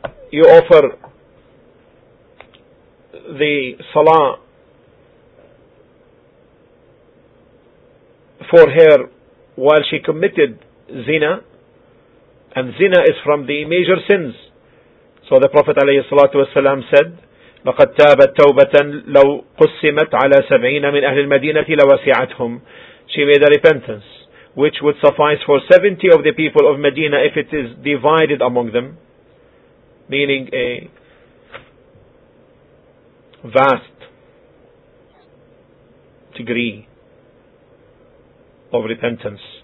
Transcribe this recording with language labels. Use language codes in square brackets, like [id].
[en] You offer the salah for her while she committed zina, and zina is from the major sins. So the Prophet ﷺ said, [ar] لقد تابت توبة لو قسمت على 70 من أهل المدينة لوسعتهم. [en] She made a repentance which would suffice for 70 of the people of Medina if it is divided among them, meaning a vast degree of repentance.